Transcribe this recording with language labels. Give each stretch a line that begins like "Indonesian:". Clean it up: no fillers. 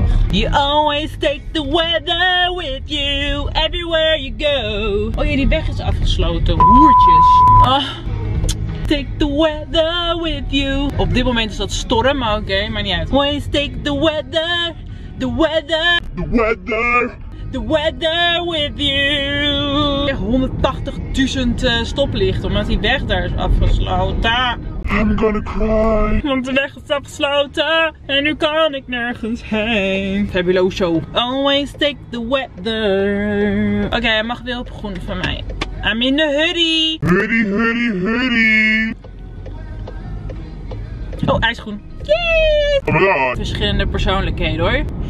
English: You always take the weather with you everywhere you go.
Dutch: Oh ja, die weg is afgesloten. Hoertjes.
English: Oh, take the weather with you.
Dutch: Op dit moment is dat storm, maar oké, okay, maar niet uit.
English: Always take the weather, the weather. The weather. The weather with you.
Dutch: 180.000 stoplichten, omdat die weg daar is afgesloten.
English: I'm gonna cry.
Dutch: Want de weg is afgesloten. En nu kan ik nergens heen.
Spanish: Fabuloso.
English: Always take the weather.
Dutch: Oké, okay, hij mag weer op groen van mij.
English: I'm in the hoodie. Hoodie, hoodie, hoodie.
Dutch: Oh, hij is groen. Yes.
English: Oh my god.
Dutch: Verschillende persoonlijkheden hoor.